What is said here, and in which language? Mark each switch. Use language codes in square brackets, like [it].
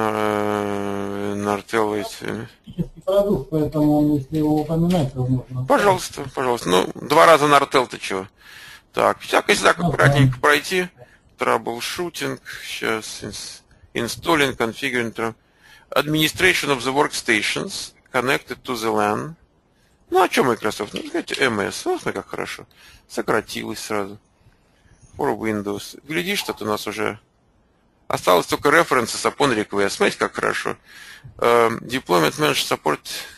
[ru] Нартелла. Технический продукт, поэтому если его упоминать, то можно. Пожалуйста. Ну, 2 раза Нартел-то чего? Так, всяко-всяко аккуратненько пройти. [en] Troubleshooting. [ru] Сейчас. [en] Installing, configuring. Administration of the workstations connected to the LAN. [ru] Ну, а что Microsoft? Ну, сказать, MS. Вот как хорошо. Сократилось сразу. [en] For Windows. [ru] Глядишь, что-то у нас уже Осталось только [en] references upon request. [ru] Смотрите, как хорошо. [en] Deployment Manager Support.